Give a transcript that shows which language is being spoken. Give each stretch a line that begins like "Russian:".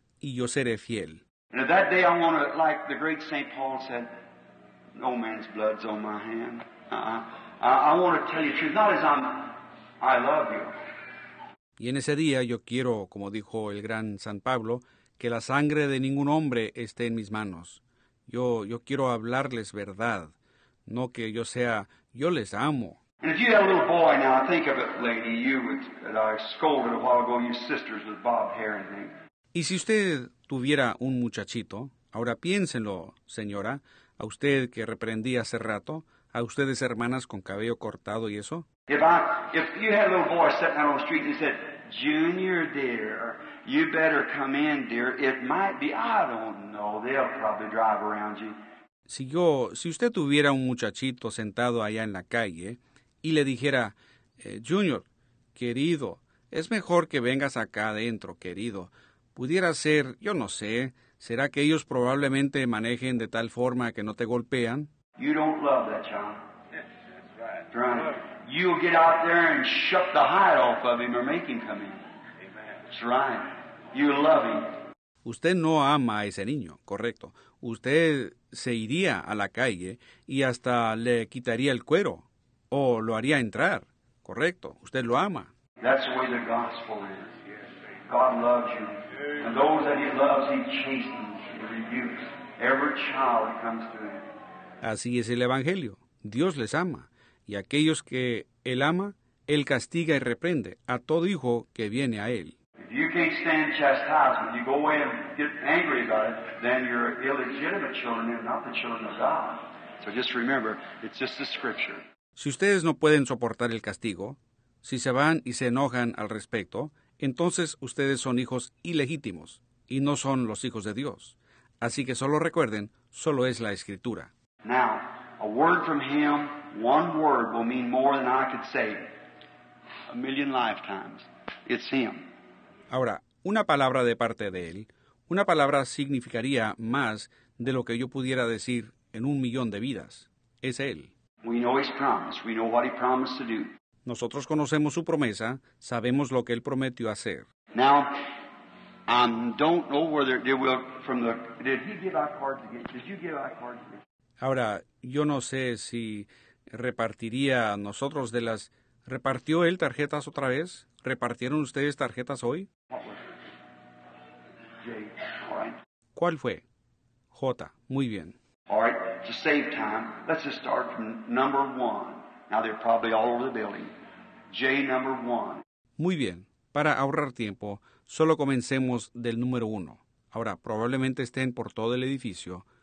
Spanish: Y yo seré fiel.
English: And at that day, I want to, like the great St. Paul said, no man's blood's on my hand. I want to tell you the truth, not as I love you.
Spanish: Y en ese día, yo quiero, como dijo el gran San Pablo, que la sangre de ningún hombre esté en mis manos. Yo quiero hablarles verdad, no que yo sea, yo les amo.
English: And if you had a little boy now, think of it, lady, you that I scolded a while ago, you sisters with bob hair and things.
Spanish: Y si usted tuviera un muchachito, ahora piénsenlo, señora, a usted que reprendí hace rato, a ustedes hermanas con cabello cortado y eso.
English: If you had a little boy sitting out on the street and said, Junior, dear, you better come in, dear. It might be, I don't know, they'll probably drive around you.
Spanish: Si usted tuviera un muchachito sentado allá en la calle y le dijera, Junior, querido, es mejor que vengas acá adentro, querido. Pudiera ser, yo no sé, ¿será que ellos probablemente manejen de tal forma que no te golpean?
English: You don't love that child. That's right. You'll get out there and shut the hide off of him or make him come in. Amen. That's right. You love him.
Spanish: Usted no ama a ese niño, correcto. Usted se iría a la calle y hasta le quitaría el cuero o lo haría entrar, correcto. Usted lo ama.
English: That's the way the gospel is. God loves you. And those that he loves, he chastens and rebukes. Every child that comes to him.
Spanish: Así es el Evangelio. Dios les ama. Y aquellos que él ama, él castiga y reprende a todo hijo que viene a él.
English: If you can't stand chastisement, you go away and get angry about it, then you're illegitimate children and not the children of God. So just remember, it's just the scripture.
Spanish: Si ustedes no pueden soportar el castigo, si se van y se enojan al respecto, entonces ustedes son hijos ilegítimos y no son los hijos de Dios. Así que solo recuerden, solo es la Escritura.
English: Now, a word from him, one word will mean more than I could say a million lifetimes. It's him.
Spanish: Ahora, una palabra de parte de él, una palabra significaría más de lo que yo pudiera decir en un millón de vidas. Es él.
English: We know his promise. We know what he promised to do.
Spanish: Nosotros conocemos su promesa, sabemos lo que él prometió hacer.
English: Now, I don't know whether they will from the. Did he give our card to get? Did you give our card to get?
Spanish: Ahora, yo no sé si repartiría a nosotros de las. ¿Repartió él tarjetas otra vez? ¿Repartieron ustedes tarjetas hoy?
English: What was it? Jay, all right.
Spanish: ¿Cuál fue? J. Jota. Muy bien.
English: All right, to save time, let's just start from number one. Now they're probably all over the building. J number one.
Spanish: Muy bien. Para ahorrar tiempo, solo comencemos del número uno. Ahora, probablemente estén por todo el edificio.